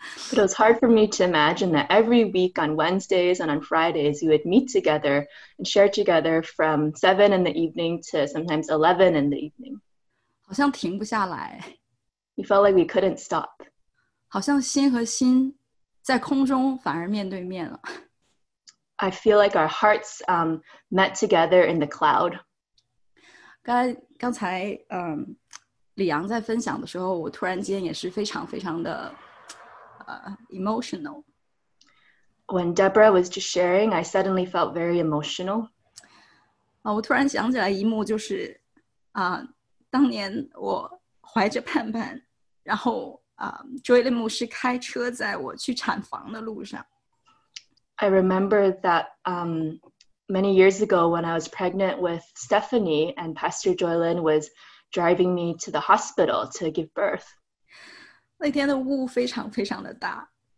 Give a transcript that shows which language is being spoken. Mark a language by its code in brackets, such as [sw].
[en] But it was hard for me to imagine that every week on Wednesdays and on Fridays, we would meet together and share together from 7 in the evening to sometimes 11 in the evening. [zh] 好像停不下来。 [en] We felt like we couldn't stop. [zh] 好像心和心在空中反而面对面了。 [en] I feel like our hearts met together in the cloud. [zh] 刚才李阳在分享的时候，我突然间也是非常非常的emotional. [en] When Deborah was just sharing, I suddenly felt very emotional. [zh] 我突然想起来一幕就是当年我怀着盼盼然后Joylin 牧师开车在我去产房的路上。 [en] I remember that many years ago when I was pregnant with Stephanie and Pastor Joylin was driving me to the hospital to give birth. [zh] 那天的雾非常非常的大。